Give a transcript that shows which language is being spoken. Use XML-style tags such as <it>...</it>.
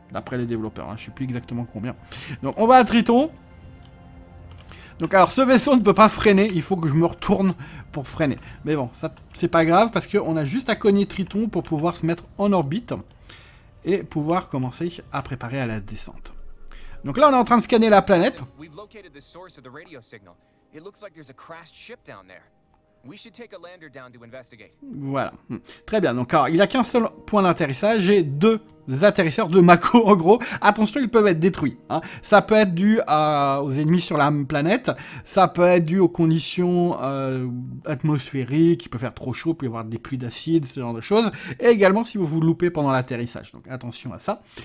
<fr>D'après les développeurs, hein, je ne sais plus exactement combien. Donc on va à Triton. Donc alors ce vaisseau ne peut pas freiner, il faut que je me retourne pour freiner. Mais bon, ça c'est pas grave parce qu'on a juste à cogner Triton pour pouvoir se mettre en orbite et pouvoir commencer à préparer à la descente. Donc là on est en train de scanner la planète.</fr> <en>We've located the source of the radio signal. It looks like there's a crashed ship down there. We should take a lander down to investigate.</en> <fr>Voilà. Très bien. Donc, alors, il n'y a qu'un seul point d'atterrissage. J'ai deux atterrisseurs, deux Mako en gros. Attention, ils peuvent être détruits. Hein. Ça peut être dû aux ennemis sur la planète. Ça peut être dû aux conditions atmosphériques. Il peut faire trop chaud, il peut y avoir des pluies d'acide, ce genre de choses. Et également si vous vous loupez pendant l'atterrissage. Donc, attention à ça.</fr>